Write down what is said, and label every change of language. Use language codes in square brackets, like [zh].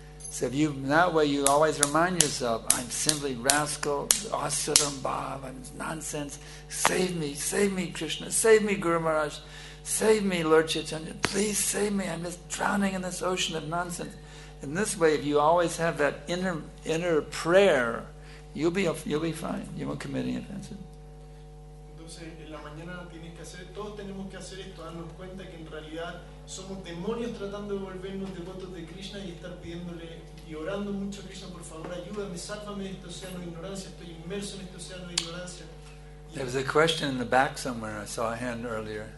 [en] So if you, that way you always remind yourself, I'm simply rascal, asuram bhav, I'm nonsense, save me Krishna, save me Guru Maharaj, save me Lord Chaitanya, please save me, I'm just drowning in this ocean of nonsense. In this way, if you always have that inner prayer, you'll be fine, you won't commit any offenses. [es] Entonces, en la mañana todos tenemos que hacer esto, darnos cuenta que en realidad somos demonios tratando de volvernos devotos de Krishna y estar pidiéndole y orando mucho a Krishna, por favor ayúdame, sálvame de este océano de ignorancia, estoy inmerso en este océano de ignorancia. [en] There was a question in the back somewhere, I saw a hand earlier.